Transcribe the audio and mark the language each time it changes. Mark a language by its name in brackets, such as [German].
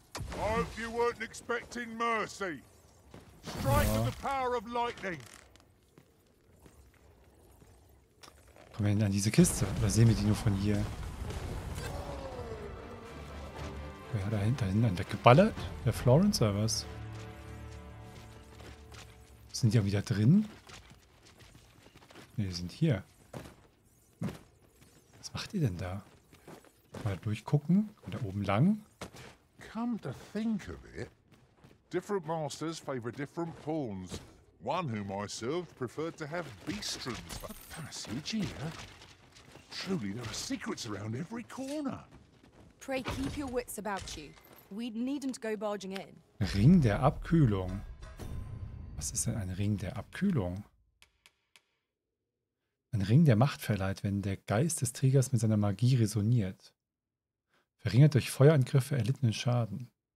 [English] I hope you weren't expecting mercy. Strike with the power of lightning. [German] Kommen wir denn an diese Kiste? Oder sehen wir die nur von hier? Wer hat da hinten weggeballert? Der Florence oder was? Sind die auch wieder drin? Ne, die sind hier. Was macht ihr denn da? Mal durchgucken und da oben lang. [English] Come to think of it, different masters favor different pawns. One whom I served preferred to have beastrons for passage here. Truly, there are secrets around every corner. Pray keep your wits about you. We needn't go barging in. [German] Ring der Abkühlung. Was ist denn ein Ring der Abkühlung? Ein Ring, der Macht verleiht, wenn der Geist des Trägers mit seiner Magie resoniert. Verringert durch Feuerangriffe erlittenen Schaden.